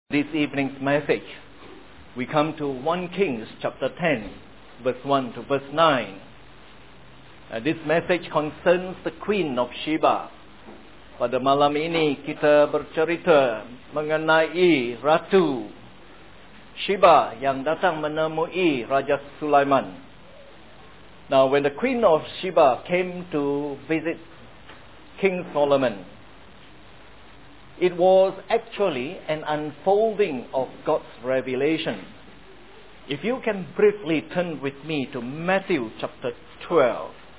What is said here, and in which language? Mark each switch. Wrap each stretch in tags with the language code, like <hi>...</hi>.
<en>This evening's message, we come to 1 Kings chapter 10, verse 1 to verse 9. This message concerns the Queen of Sheba.</en> <ms>Pada malam ini kita bercerita mengenai Ratu Sheba yang datang menemui Raja Sulaiman.</ms> <en>Now, when the Queen of Sheba came to visit King Solomon, it was actually an unfolding of God's revelation. If you can briefly turn with me to Matthew chapter 12.</en>